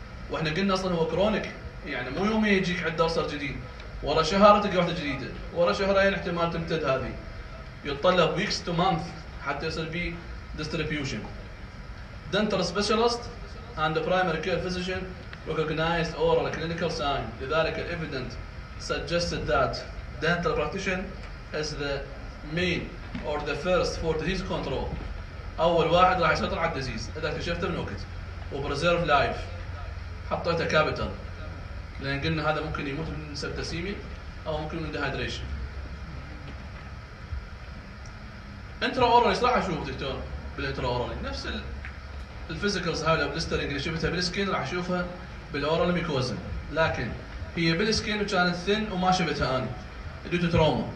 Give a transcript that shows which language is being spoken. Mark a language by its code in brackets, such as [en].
[ar] واحنا قلنا اصلا هو كرونيك يعني مو يوم يجيك عدة أرصر جديد ورا شهر تلقى واحدة جديدة ورا شهرين احتمال تمتد هذه يتطلب ويكس تو مانث حتى يصير في دستريبيوشن. [en] Dental specialist and primary care physician recognized oral clinical sign. لذلك the evidence suggested that dental practitioner is the main or the first for disease control. [ar] أول واحد راح يسيطر على الديزيز إذا اكتشفته من وقت و preserve life حطيته capital لأن قلنا هذا ممكن يموت من septicemia أو ممكن من dehydration. intraoral إيش راح أشوف دكتور بالintraoral نفس الphysicals هاي البلسترينج اللي شفتها بالسكين راح أشوفها بالأورال ميكوزا لكن هي بالسكين وكانت ثن وما شبتها أنا ديوتو تروما.